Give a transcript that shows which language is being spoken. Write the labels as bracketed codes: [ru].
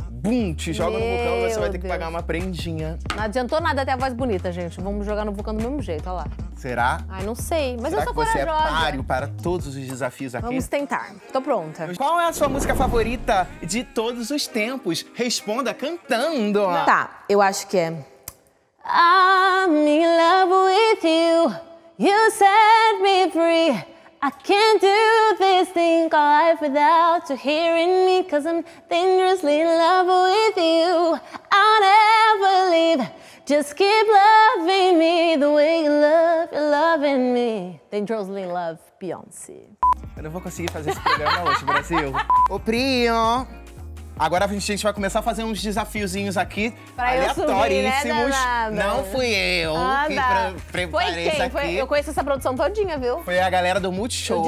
[pt] Bum, te joga no vulcão, você vai ter que pagar uma prendinha. Não adiantou nada ter a voz bonita, gente. Vamos jogar no vulcão do mesmo jeito, olha lá. Será? Ai, não sei, mas será eu sou corajosa. Será que você é páreo para todos os desafios aqui? Vamos tentar, tô pronta. Qual é a sua música favorita de todos os tempos? Responda cantando. Tá, eu acho que é... [en] I'm in love with you, you set me free. I can't do this thing called life without you hearing me, cause I'm dangerously in love with you. I'll never leave, just keep loving me the way you love, you're loving me. Dangerously in love, Beyoncé. [pt] Eu não vou conseguir fazer esse programa hoje, Brasil. Ô, Prio! Agora a gente vai começar a fazer uns desafiozinhos aqui, pra aleatoríssimos. Eu subir, né, não fui eu que preparei foi quem? Isso aqui. Foi, eu conheço essa produção todinha, viu? Foi a galera do Multishow.